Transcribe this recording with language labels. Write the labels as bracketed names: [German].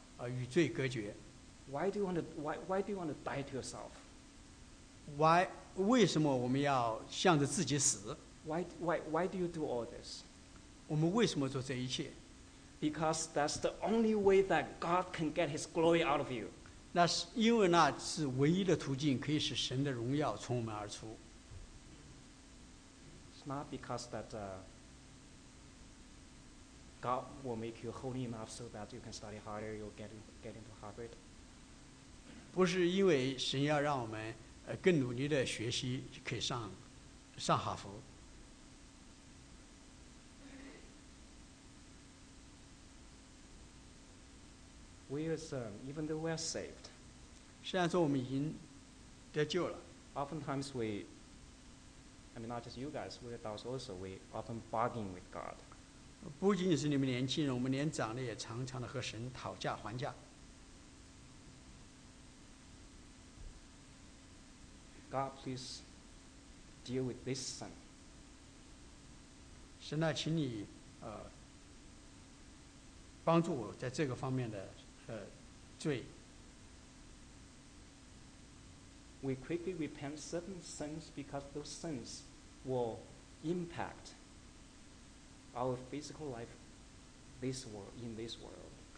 [English] why do you want to die to yourself? Why do you do all this? [Chinese] 我们为什么做这一切? [English] Because that's the only way that God can get his glory out of you. [Chinese] 那是因为那是唯一的途径，可以使神的荣耀从我们而出。 [English] It's not because that God will make you holy enough so that you can study harder, you'll get into Harvard. [Chinese] 不是因为神要让我们, 更努力地学习, 可以上, 上哈佛。 [English] We as, even though we're saved, [Chinese] 现在说我们已经得救了, [English] oftentimes we, I mean, not just you guys, we adults also, we often bargain with God. [Chinese] 不仅仅是你们年轻人，我们年长的也常常的和神讨价还价。 [English] God, please deal with this sin. [Chinese] 神啊，请你帮助我在这个方面的罪。 [English] We quickly repent certain sins because those sins will impact our physical life in this world.